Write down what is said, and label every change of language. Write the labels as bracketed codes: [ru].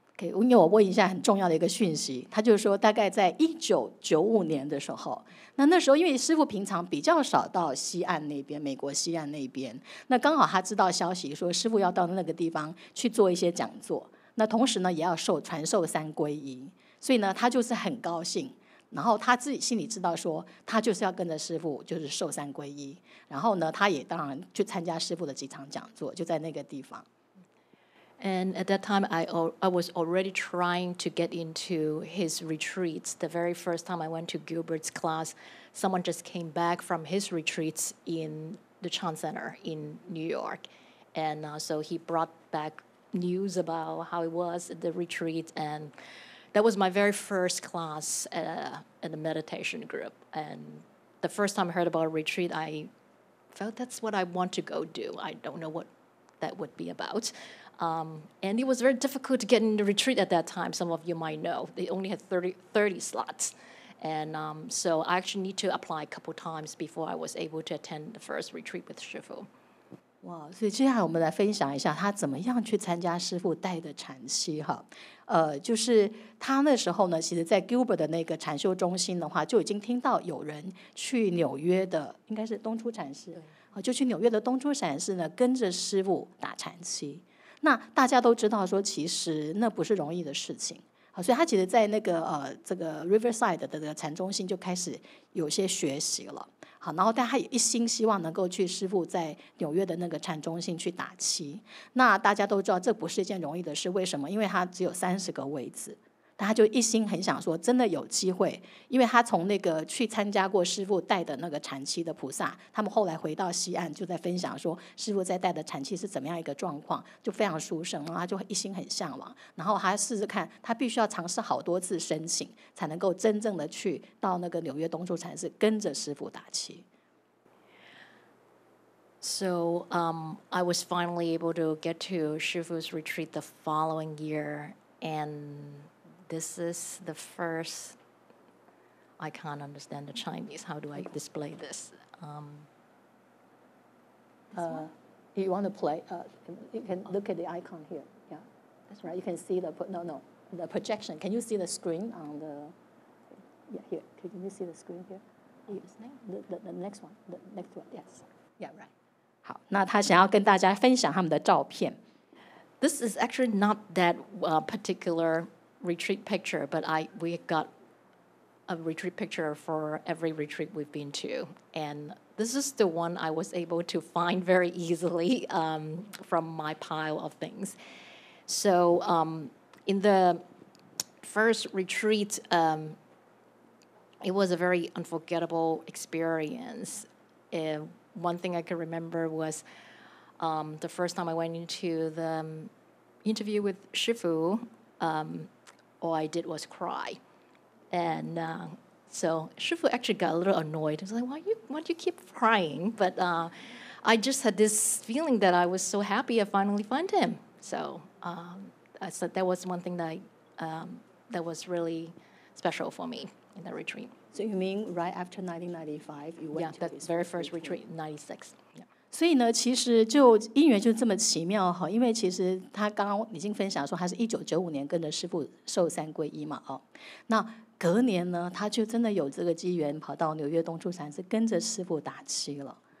[zh] 给，因为我问一下很重要的一个讯息，他就是说大概在1995年的时候，那时候因为师父平常比较少到西岸那边，美国西岸那边，那刚好他知道消息说师父要到那个地方去做一些讲座，那同时呢也要受传授三皈依，所以呢他就是很高兴，然后他自己心里知道说他就是要跟着师父就是受三皈依，然后呢他也当然去参加师父的几场讲座，就在那个地方。 [en] And at that time, I was already trying to get into his retreats. The very first time I went to Gilbert's class, someone just came back from his retreats in the Chan Center in New York. And so he brought back news about how it was at the retreat. And that was my very first class in the meditation group. And the first time I heard about a retreat, I felt that's what I want to go do. I don't know what that would be about. And it was very difficult to get into retreat at that time, some of you might know. They only had 30 slots. And so I actually need to apply a couple times before I was able to attend the first retreat with 师父. Wow, so [zh] 接下来我们来分享一下他怎么样去参加师父带的禅期哈。就是他那时候呢，其实在 Gilbert 的那个禅修中心的话，就已经听到有人去纽约的，应该是东初禅师，就去纽约的东初禅师呢，跟着师父打禅期。那大家都知道说其实那不是容易的事情，所以他其实在那个这个 Riverside 的禅中心就开始有些学习了，好，然后但他也一心希望能够去师父在纽约的那个禅中心去打七。那大家都知道这不是一件容易的事，为什么？因为他只有30个位置，但他就一心很想说真的有机会，因为他从那个去参加过师父带的那个禅期的菩萨，他们后来回到西岸就在分享说师父在带的禅期是怎么样一个状况，就非常殊胜，然后他就一心很向往，然后他试试看，他必须要尝试好多次申请才能够真正的去到那个纽约东初禅寺跟着师父打期。 [en] So, I was finally able to get to 师父's retreat the following year, andThis is the first, I can't understand the Chinese. How do I display this? You want to play? You can look at the icon here. Yeah, that's right. You can see the, the projection. Can you see the screen on the, yeah, here. Can you see the screen here? The next one, the next one, yes. Yeah, right. [zh] 好，那他想要跟大家分享他们的照片。 [en] This is actually not that particular... retreat picture, but we got a retreat picture for every retreat we've been to, and this is the one I was able to find very easily from my pile of things. So in the first retreat, it was a very unforgettable experience. One thing I can remember was the first time I went into the interview with 师父, all I did was cry. And so 师父actually got a little annoyed. He was like, why do you keep crying? But I just had this feeling that I was so happy I finally found him. So I said that was one thing that was really special for me in that retreat. So you mean right after 1995, you went to that very first retreat in 96. Yeah. [zh] 所以呢，其实就因缘就这么奇妙哈，因为其实他刚刚已经分享说，他是1995年跟着师父受三皈依嘛哦，那隔年呢，他就真的有这个机缘跑到纽约东初禅寺跟着师父打七了。